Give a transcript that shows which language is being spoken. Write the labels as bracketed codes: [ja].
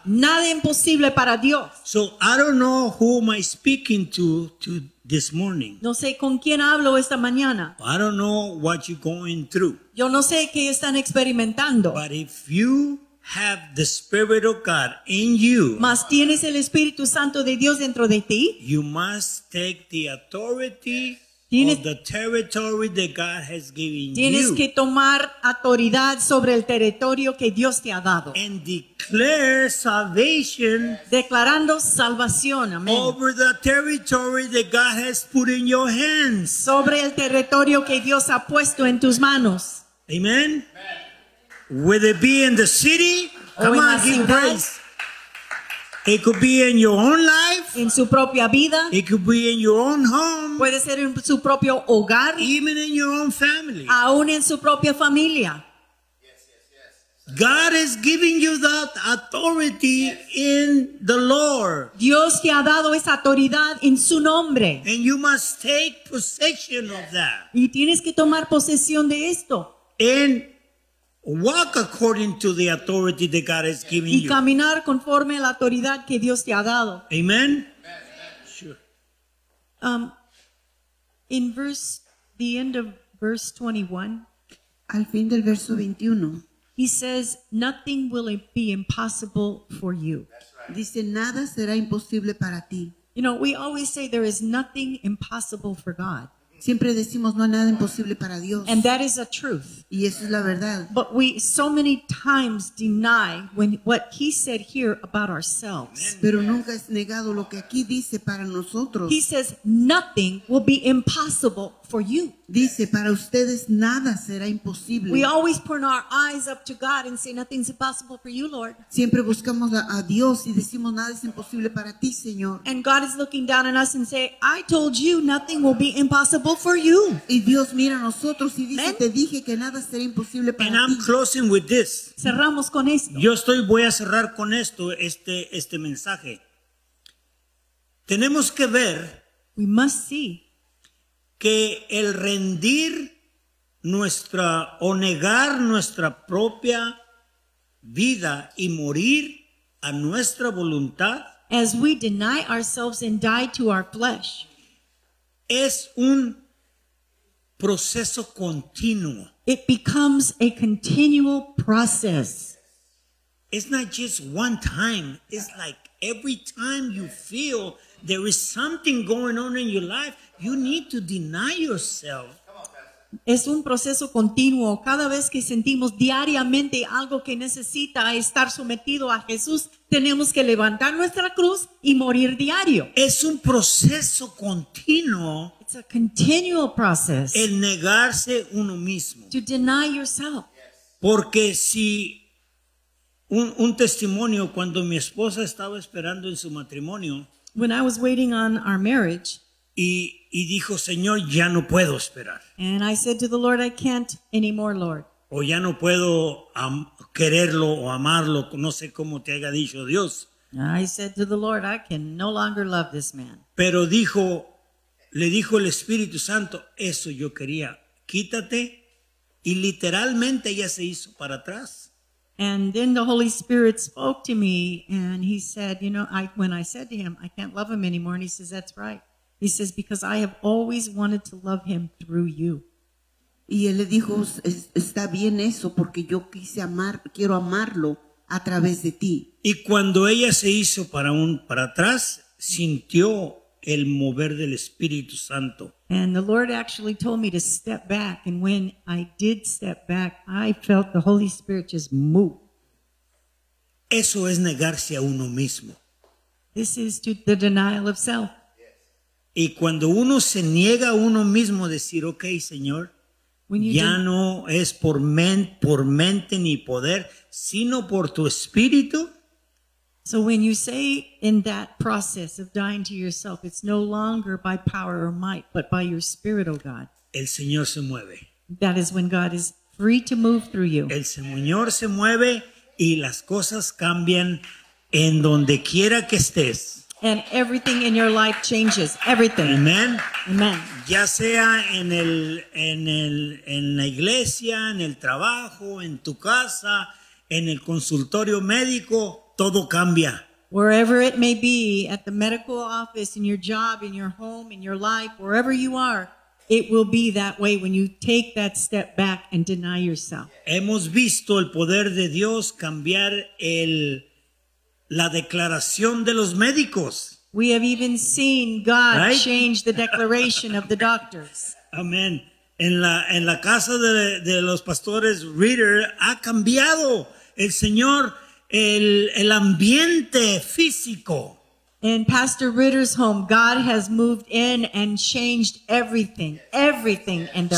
[es] Nada imposible para Dios. [en] So I don't know who am I speaking to this morning. [es] No sé con quién hablo esta mañana. [en] I don't know what you're going through. [es] Yo no sé qué están experimentando. [en] But if you have the Spirit of God in you, [es] mas tienes el Espíritu Santo de Dios dentro de ti, [en] you must take the authority [es] Tienes, [en] of the territory that God has given [es] tienes [en] you. [es] Tienes que tomar autoridad sobre el territorio que Dios te ha dado. [en] And declare salvation. [es] Declarando salvación, amen. [en] Over the territory that God has put in your hands. [es] Sobre el territorio que Dios ha puesto en tus manos. [en] Amen. Whether it be in the city, come on, give praise. It could be in your own life. [es] En su propia vida. [en] It could be in your own home. [es] Puede ser en su propio hogar. [en] Even in your own family. [es] Aún en su propia familia. [en] God is giving you that authority in the Lord. [es] Dios te ha dado esa autoridad en su nombre. [en] And you must take possession of that. [es] Y tienes que tomar posesión de esto. [en] And walk according to the authority that God has given you. [es] Y caminar conforme a la autoridad que Dios te ha dado. [en] Amen. Amen. Amen. Sure. In verse, the end of verse 21. [es] Al fin del verso 21. [en] He says, nothing will be impossible for you. That's right. [es] Dice, nada será imposible para ti. [en] You know, we always say there is nothing impossible for God. [es] Siempre decimos no hay nada imposible para Dios. [en] And that is a truth. [es] Y eso es la verdad. [en] But we so many times deny when what he said here about ourselves. [es] Pero nunca es negado lo que aquí dice para nosotros. [en] He says nothing will be impossible for you. [es] Dice para ustedes nada será imposible. [en] We always put our eyes up to God and say nothing's impossible for you, Lord. [es] Siempre buscamos a Dios y decimos nada es imposible para ti, Señor. [en] And God is looking down on us and say, I told you nothing will be impossible for you. [es] Y Dios mira a nosotros y dice, te dije que nada será imposible para ti. [en] And I'm closing with this. [es] Cerramos con esto. Yo estoy voy a cerrar con esto este mensaje. Tenemos que ver. [en] We must see. [es] Que el rendir nuestra o negar nuestra propia vida y morir a nuestra voluntad, [en] as we deny ourselves and die to our flesh, [es] es un proceso continuo. [en] It becomes a continual process. It's not just one time. It's like every time you feel there is something going on in your life, you need to deny yourself. [es] Es un proceso continuo. Cada vez que sentimos diariamente algo que necesita estar sometido a Jesús, tenemos que levantar nuestra cruz y morir diario. Es un proceso continuo. [en] It's a continual process. [es] El negarse uno mismo. [en] To deny yourself. [es] Porque si un testimonio cuando mi esposa estaba esperando en su matrimonio. [en] When I was waiting on our marriage. [es] Y dijo, Señor, ya no puedo esperar. [en] And I said to the Lord, I can't anymore, Lord. [es] O ya no puedo quererlo o amarlo, no sé cómo te haya dicho Dios. [en] I said to the Lord, I can no longer love this man. [es] Pero dijo, le dijo el Espíritu Santo, eso yo quería, quítate. Y literalmente ella se hizo para atrás. [en] And then the Holy Spirit spoke to me and he said, you know, when I said to him, I can't love him anymore. And he says, that's right. He says, because I have always wanted to love him through you. [es] Y él le dijo, está bien eso, porque yo quise amar, quiero amarlo a través de ti. Y cuando ella se hizo para atrás, sintió el mover del Espíritu Santo. [en] And the Lord actually told me to step back. And when I did step back, I felt the Holy Spirit just move. [es] Eso es negarse a uno mismo. [en] This is to the denial of self. [es] Y cuando uno se niega a uno mismo decir, okay, Señor, ya no es por mente ni poder, sino por tu espíritu. [en] So when you say in that process of dying to yourself, it's no longer by power or might, but by your spirit, oh God. [es] El Señor se mueve. [en] That is when God is free to move through you. [es] El Señor se mueve y las cosas cambian en donde quiera que estés. [en] And everything in your life changes. Everything. Amen. Amen. [es] Ya sea en la iglesia, en el trabajo, en tu casa, en el consultorio médico, todo cambia. [en] Wherever it may be, at the medical office, in your job, in your home, in your life, wherever you are, it will be that way when you take that step back and deny yourself. [es] Hemos visto el poder de Dios cambiar la declaración de los médicos. [en] We have even seen God change the declaration of the doctors. Amen. [es] En la casa de los pastores Reader ha cambiado el Señor el ambiente físico. [en] In Pastor Ritter's home, God has moved in and changed everything, everything in their